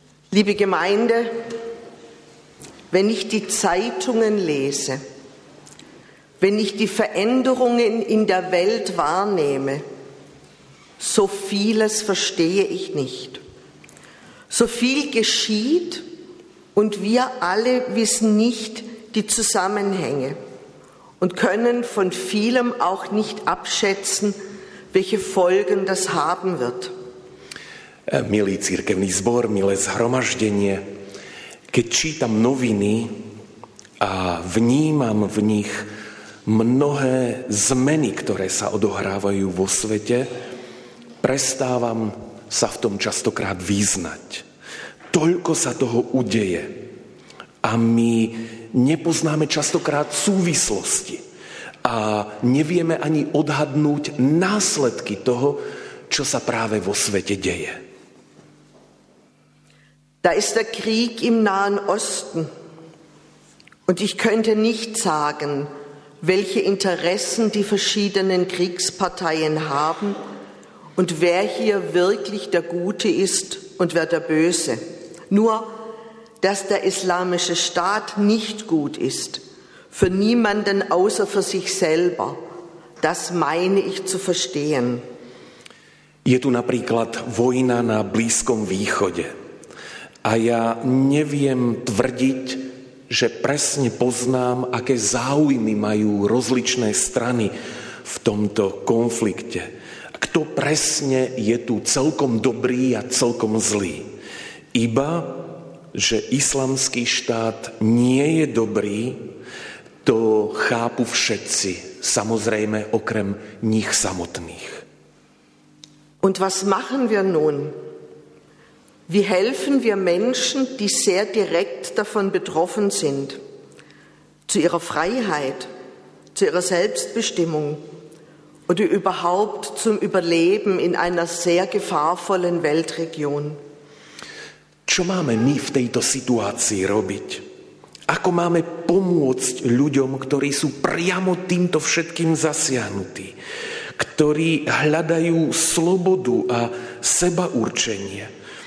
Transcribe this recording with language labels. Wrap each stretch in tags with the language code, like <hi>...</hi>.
<de>Liebe Gemeinde, wenn ich die Zeitungen lese, wenn ich die Veränderungen in der Welt wahrnehme, so vieles verstehe ich nicht. So viel geschieht und wir alle wissen nicht die Zusammenhänge und können von vielem auch nicht abschätzen, welche Folgen das haben wird.</de> <sk>Milý cirkevný zbor, milé zhromaždenie, keď čítam noviny a vnímam v nich mnohé zmeny, ktoré sa odohrávajú vo svete, prestávam sa v tom častokrát vyznať. Toľko sa toho udeje a my nepoznáme častokrát súvislosti a nevieme ani odhadnúť následky toho, čo sa práve vo svete deje.</sk> <de>Da ist der Krieg im Nahen Osten und ich könnte nicht sagen, welche Interessen die verschiedenen Kriegsparteien haben und wer hier wirklich der Gute ist und wer der Böse. Nur, dass der islamische Staat nicht gut ist, für niemanden außer für sich selber, das meine ich zu verstehen.</de> <sk>Je tu napríklad vojna na Blízkom východe. A ja neviem tvrdiť, že presne poznám, aké záujmy majú rozličné strany v tomto konflikte. Kto presne je tu celkom dobrý a celkom zlý? Iba, že islamský štát nie je dobrý, to chápu všetci, samozrejme okrem nich samotných.</sk> <de>Und was machen wir nun? Wie helfen wir Menschen, die sehr direkt davon betroffen sind, zu ihrer Freiheit, zu ihrer Selbstbestimmung oder überhaupt zum Überleben in einer sehr gefahrvollen Weltregion?</de> <sk>Čo máme my v tejto situácii robiť? Ako máme pomôcť ľuďom, ktorí sú priamo týmto všetkým zasiahnutí, ktorí hľadajú slobodu a sebaurčenie?</sk>